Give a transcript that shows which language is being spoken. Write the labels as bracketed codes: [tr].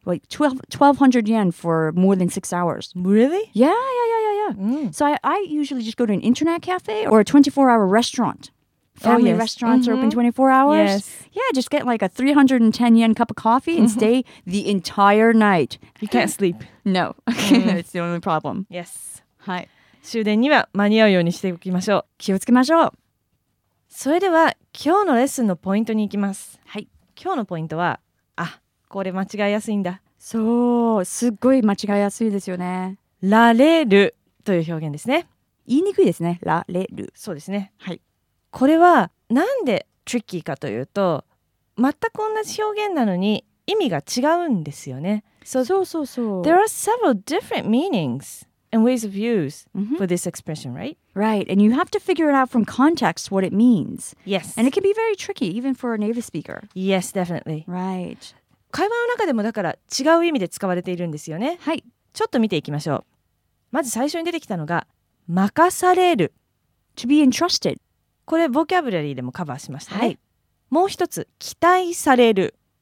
[en] Like 1,200 yen for more than 6 hours. Really? Yeah. So I usually just go to an internet cafe or a 24-hour restaurant. Family restaurants are open 24 hours. Yes. Yeah, just get like a 310 yen cup of coffee and stay the entire night. You can't sleep. No. Mm-hmm. It's the only problem. Yes. [ja] はい。終電には間に合うようにしておきましょう。気をつけましょう。それでは今日のレッスンのポイントに行きます。はい。今日のポイントは、あ、これ間違いやすいんだ。そう、すっごい間違いやすいですよね。られるという表現ですね。言いにくいですね。られる。そうですね。はい。これはなんでトリッキーかというと、全く同じ表現なのに意味が違うんですよね。そう。 [en] There are several different meanings and ways of use for this expression, right? Right, and you have to figure it out from context what it means. Yes. And it can be very tricky, even for a native speaker. Yes, definitely. Right. [ja] 会話の中でもだから違う意味で使われているんですよね。はい。ちょっと見ていきましょう。まず最初に出てきたのが、任される。 [en] To be entrusted. [ja] これボキャブラリーでもカバーしましたね、はい、もう一つ期待される